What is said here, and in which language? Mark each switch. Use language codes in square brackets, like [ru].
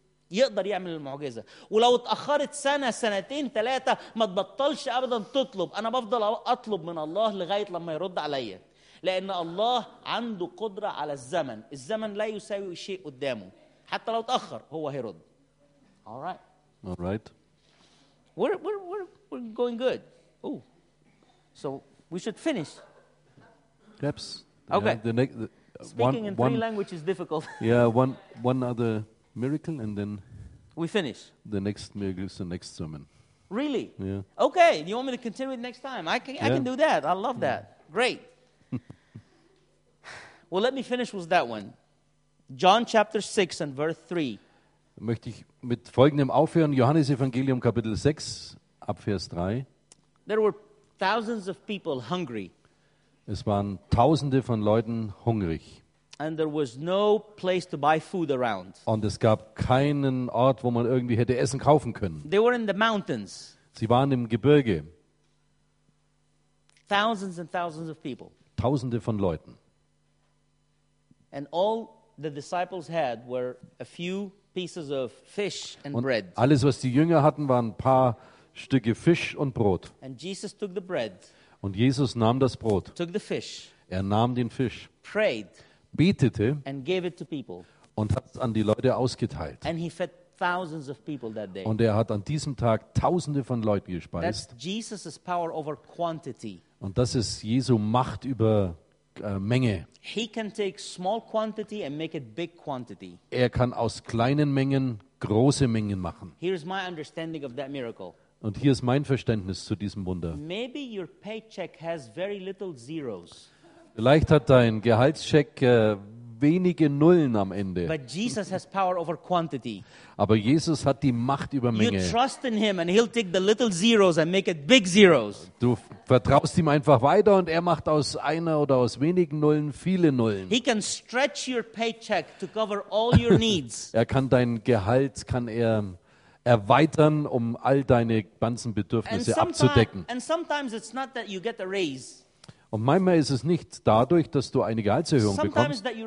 [ar] يقدر يعمل المعجزة ولو اتأخرت سنة سنتين ثلاثة ما تبطلش أبدا تطلب أنا بفضل أطلب من الله لغاية لما يرد علي لأن الله عنده قدرة على الزمن الزمن لا يساوي شيء قدامه حتى لو اتأخر هو هيرد [en] All right. We're going good Oh, so we should finish Perhaps Okay yeah, Speaking in three languages is difficult Yeah, one other Miracle and then we finish. The next miracle is the next sermon. Really? Yeah. Okay. You want me to continue it next time? I can do that. I love that. Yeah. Great. Well, let me finish with that one. John chapter 6 and verse 3. [de] Möchte ich mit folgendem aufhören. Johannes Evangelium Kapitel 6, Abvers 3. [en] There were thousands of people hungry. [de] Es waren tausende von Leuten hungrig. [en] And there was no place to buy food around. [de] Und es gab keinen Ort, wo man irgendwie hätte Essen kaufen können. [en] They were in the mountains. [de] Sie waren im Gebirge. [en] Thousands and thousands of people. [de] Tausende von Leuten. [en] And all the disciples had were a few pieces of fish and [de] und [en] bread. [de] Alles, was die Jünger hatten, waren ein paar Stücke Fisch und Brot. [en] And Jesus took the bread. [de] Und Jesus nahm das Brot. [en] Took the fish. [de] Er nahm den Fisch. [en] Prayed. [de] Betete [en] and gave it to people. [de] und hat es an die Leute ausgeteilt. [en] And he fed thousands of people that day. [de] Und er hat an diesem Tag Tausende von Leuten gespeist. [en] That's Jesus' power over quantity. [de] Und das ist Jesu Macht über Menge. [en] He can take small quantity and make it big quantity. [de] Er kann aus kleinen Mengen große Mengen machen. [en] Here's my understanding of that miracle. [de] Und hier ist mein Verständnis zu diesem Wunder. [en] Maybe your paycheck has very little zeros. [de] Vielleicht hat dein Gehaltscheck wenige Nullen am Ende. [en] But Jesus has power over quantity. [de] Aber Jesus hat die Macht über Menge. [en] You trust in him and he'll take the little zeros and make it big zeros. [de] Du vertraust ihm einfach weiter und er macht aus einer oder aus wenigen Nullen viele Nullen. [en] He can stretch your paycheck to cover all your needs. [de] Er kann dein Gehalt, kann er erweitern, um all deine ganzen Bedürfnisse abzudecken. [en] And sometimes it's not that you get a raise. [de] Und manchmal ist es nicht dadurch, dass du eine Gehaltserhöhung bekommst.